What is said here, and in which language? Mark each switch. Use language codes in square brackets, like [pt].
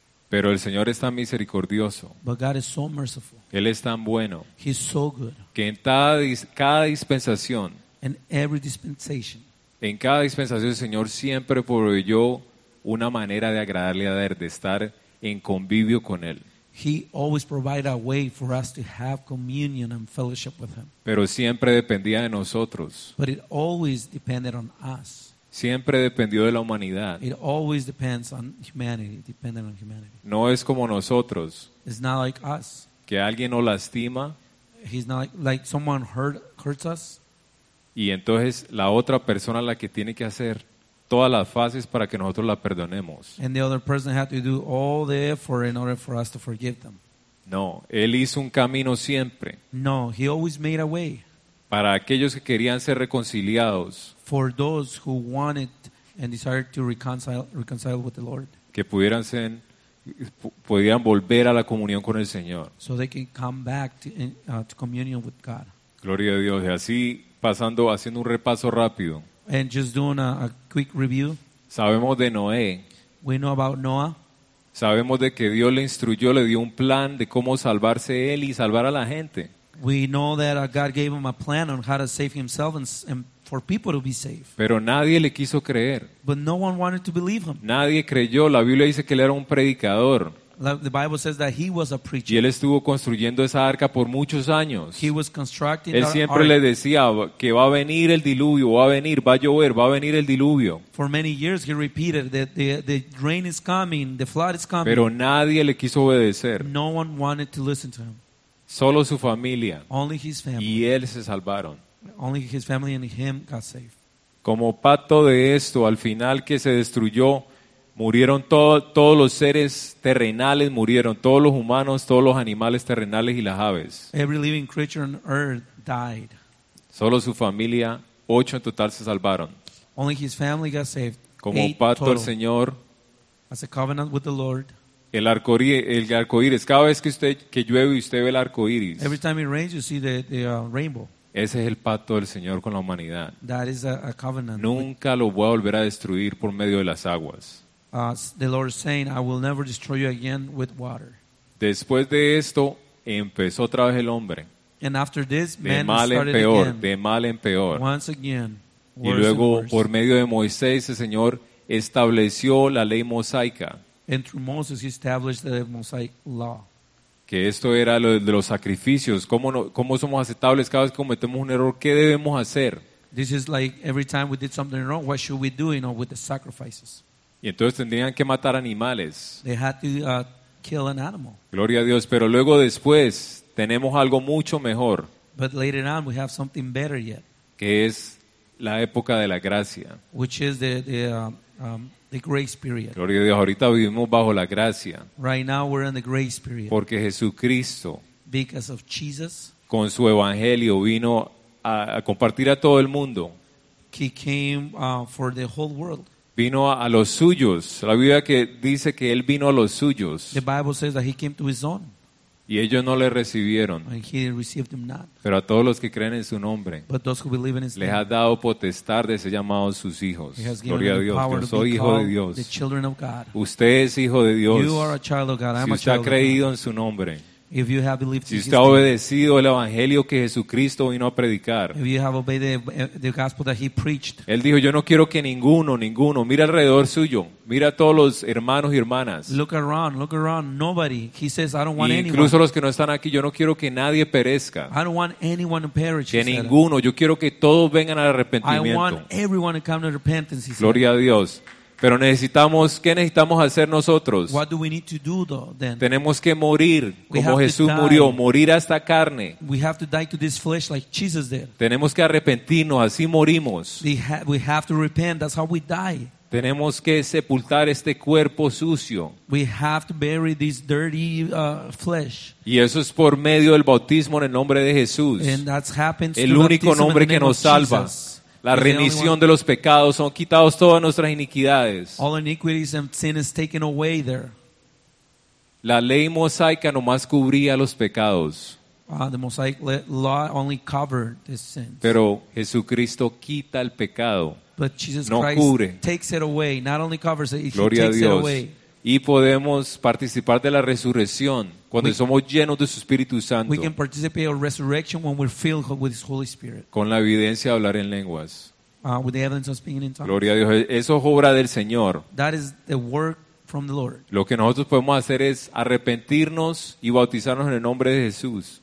[es] Pero el Señor es tan misericordioso, [en] but God is so merciful, [es] él es tan bueno, [en] he's so good, [es] que en cada dispensación, [en] in every dispensation, [es] en cada dispensación el Señor siempre proveyó una manera de agradarle a él, de estar en convivio con él. [en] He always provided a way for us to have communion and fellowship with him. [es] Pero siempre dependía de nosotros. [en] But it always depended on us. [es] Siempre dependió de la humanidad. [en] It always depends on humanity. Depended on humanity. [es] No es como nosotros. [en] It's not like us. [es] Que alguien nos lastima. [en] He's not like someone hurts us. [es] Y entonces la otra persona la que tiene que hacer todas las fases para que nosotros la perdonemos. [en] And the other person had to do all the effort in order for us to forgive them. [es] No, él hizo un camino siempre. [en] No, he always made a way. [es] Para aquellos que querían ser reconciliados. [en] For those who wanted and desired to reconcile with the Lord. [es] Que pudieran ser pudieran volver a la comunión con el Señor. [en] So they can come back to communion with God. [es] Gloria a Dios. Y así, haciendo un repaso rápido. [en] And just doing a quick review. [es] Sabemos de Noé. [en] We know about Noah. [es] Sabemos de que Dios le instruyó, le dio un plan de cómo salvarse él y salvar a la gente. [en] We know that God gave him a plan on how to save himself and for people to be saved. [es] Pero nadie le quiso creer. [en] But no one wanted to believe him. [es] Nadie creyó. La Biblia dice que él era un predicador. [en] The Bible says that he was a preacher. [es] Y él estuvo construyendo esa arca por muchos años. [en] He was constructing. [es] Él siempre le decía que va a venir el diluvio, va a venir, va a llover, va a venir el diluvio. [en] For many years he repeated that the rain is coming, the flood is coming. [es] Pero nadie le quiso obedecer. [en] No one wanted to listen to him. [es] Solo su familia. [en] Only his family. [es] Y él se salvaron. [en] Only his family and him got saved. [es] Como pacto de esto, al final que se destruyó, murieron todos los seres terrenales, murieron todos los humanos, todos los animales terrenales y las aves. [en] Every living creature on earth died. [es] Solo su familia, 8 en total, se salvaron. [en] Only his family got saved. [es] Como pacto al Señor. [en] As a covenant with the Lord. [es] El arco iris. Cada vez que que llueve y usted ve el arco iris. [en] Every time it rains, you see the rainbow. [es] Ese es el pacto del Señor con la humanidad. [en] That is a covenant. [es] Nunca lo voy a volver a destruir por medio de las aguas. [en] The Lord is saying, I will never destroy you again with water. [es] Después de esto, empezó otra vez el hombre. [en] And after this, man [es] de mal en peor, [en] started again. [es] De mal en peor. [en] Once again, worse [es] y luego, [en] and worse. [es] Por medio de Moisés, el Señor estableció la ley mosaica. [en] And through Moses, he established the Mosaic law. [es] Que esto era lo de los sacrificios. ¿Cómo somos aceptables cada vez que cometemos un error? ¿Qué debemos hacer? [en] This is like every time we did something wrong, what should we do, you know, with the sacrifices? [es] Y entonces tendrían que matar animales. [en] They had to kill an animal. [es] Gloria a Dios. Pero luego después tenemos algo mucho mejor. [en] But later on we have something better yet. [es] Que es la época de la gracia. [en] Which is the grace period. [es] Gloria a Dios. Ahorita vivimos bajo la gracia. [en] Right now we're in the grace period. [es] Porque Jesucristo. [en] Because of Jesus. [es] Con su evangelio vino a compartir a todo el mundo. [en] He came for the whole world. [es] Vino a los suyos. La Biblia que dice que él vino a los suyos. [en] The Bible says that he came to his own. [es] Y ellos no le recibieron. [en] And he received them not. [es] Pero a todos los que creen en su nombre. [en] But those who believe in his [es] les [en] name, [es] ha dado potestad de ser llamados sus hijos. [en] He has given [es] Gloria a Dios. [en] Power [es] yo soy hijo de Dios. [en] The children of God. [es] Usted es hijo de Dios. [en] You are a child of God. [es] Si [en] I am [es] usted [en] a child [es] ha creído [en] of God. [es] En su nombre. [en] If you have believed [es] si usted ha obedecido el evangelio que Jesucristo vino a predicar. [en] If you have obeyed the gospel that he preached. [es] Él dijo, yo no quiero que ninguno, mira alrededor suyo, mira a todos los hermanos y hermanas. [en] Look around, nobody. He says, I don't want anyone. [es] Incluso los que no están aquí, yo no quiero que nadie perezca. [en] I don't want anyone to perish. [es] Que ninguno, yo quiero que todos vengan al arrepentimiento. [en] I want everyone to come to repentance. [es] Gloria a Dios. Pero ¿qué necesitamos hacer nosotros? [en] What do we need to do though, then? [es] Tenemos que morir como Jesús murió, morir a esta carne. [en] We have to die to this flesh like Jesus did. [es] Tenemos que arrepentirnos, así morimos. [en] We have to repent, that's how we die. [es] Tenemos que sepultar este cuerpo sucio. [en] We have to bury this dirty flesh. [es] Y eso es por medio del bautismo en el nombre de Jesús. [en] And that's happens [es] el único nombre que nos salva. La remisión de los pecados, son quitados todas nuestras iniquidades. [en] All iniquities and sin is taken away there. [es] La ley mosaica nomás cubría los pecados. [en] The Mosaic law only covered the sins. [es] Pero Jesucristo quita el pecado. [en] But Jesus [es] no [en] Christ [es] cubre. [en] Takes it away, not only covers it, [es] Gloria [en] he takes [es] a Dios. [en] It away. [es] Y podemos participar de la resurrección cuando somos llenos de su Espíritu Santo. [en] We can participate in resurrection when we're filled with his Holy Spirit. [es] Con la evidencia de hablar en lenguas. [en] With the evidence of speaking in tongues. [es] Gloria a Dios. Eso es obra del Señor. [en] That is the work from the Lord. [es] Lo que nosotros podemos hacer es arrepentirnos y bautizarnos en el nombre de Jesús.